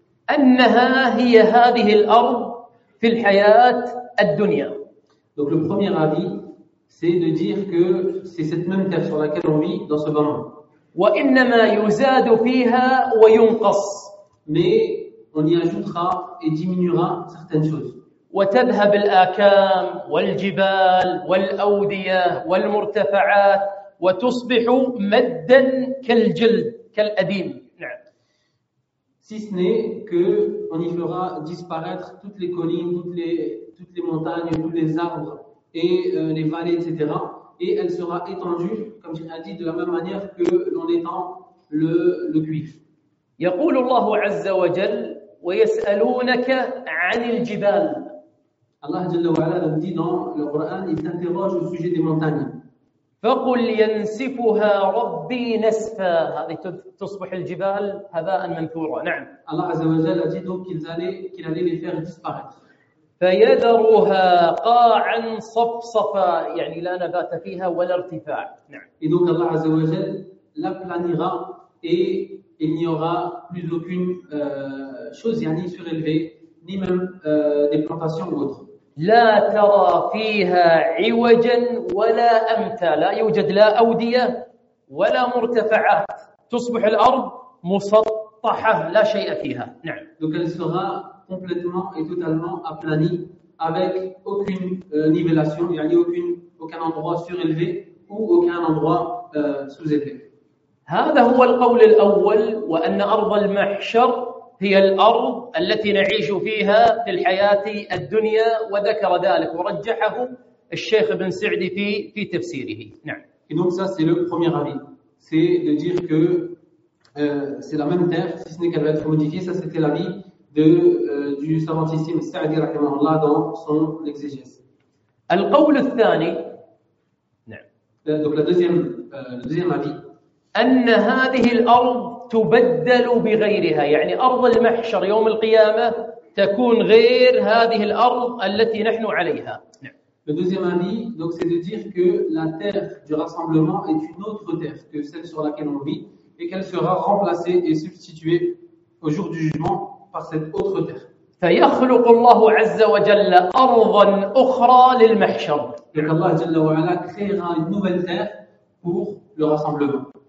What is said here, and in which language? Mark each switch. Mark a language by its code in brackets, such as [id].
[ar] أنها هي هذه الأرض في الحياة الدنيا. [fr] Donc le premier avis, c'est de dire que c'est cette même terre sur laquelle on vit dans ce moment. [ar] وإنما يزاد فيها وينقص. [fr] Mais on y ajoutera et diminuera certaines choses. [ar] وتذهب الآكام والجبال والأودية والمرتفعات وتصبح مدا كالجلد كالأديم. [fr] Si ce n'est qu'on y fera disparaître toutes les collines, toutes les montagnes, tous les arbres et les vallées, etc. Et elle sera étendue, comme tu l'as dit, de la même manière que l'on étend le cuivre. [ar] يقول الله عز وجل ويسألونك عن الجبال. [fr] Allah [ar] جل وعلا [fr] le dit dans le Coran, il s'interroge au sujet des montagnes. [ar] فَقُلْ يَنْسِفُهَا رَبِّي نَسْفًا. هذه تصبح الجبال هباءً منثورًا. نعم. [fr] الله [ar] عز وجل [fr] dit donc qu'il allait les faire disparaître. [ar] فَيَذَرُهَا قَاعًا صَفْصَفًا. يعني لا نبات فيها ولا ارتفاع. نعم. [fr] Et donc Allah [ar] عز وجل [fr] l'aplanira et il n'y aura plus aucune chose, يعني surélevée, ni même des plantations ou autres. [ar] لا ترى فيها عوجا ولا أمتا. لا يوجد لا أودية ولا مرتفعات. تصبح الأرض مسطحة لا شيء فيها. نعم. [fr] Donc elle sera complètement et totalement aplanie avec aucune nivellation, يعني aucun endroit surélevé ou aucun endroit sous-élevé. [ar] هذا هو القول الأول وأن أرض المحشر هي الأرض التي نعيش فيها في الحياة الدنيا وذكر ذلك ورجحه الشيخ بن سعدي في تفسيره. نعم. [fr] Et donc ça c'est le premier avis, c'est de dire que c'est la même terre, si ce n'est qu'elle va être modifiée. Ça c'était l'avis du savantissime Sa'di [ar] رحمه الله [fr] dans son exégèse. [ar] القول الثاني. [fr] نعم. Donc le deuxième avis. [ar] أن هذه الأرض تبدل بغيرها, يعني أرض المحشر يوم القيامة تكون غير هذه الأرض التي نحن عليها. [fr] Le deuxième avis, donc c'est de dire que la terre du rassemblement est une autre terre que celle sur laquelle on vit et qu'elle sera remplacée et substituée au jour du jugement par cette autre terre. [ar] فيخلق الله عز وجل أرضا أخرى للمحشر. [fr] Donc Allah [ar] جل وعلا [fr] créera une nouvelle terre pour le rassemblement.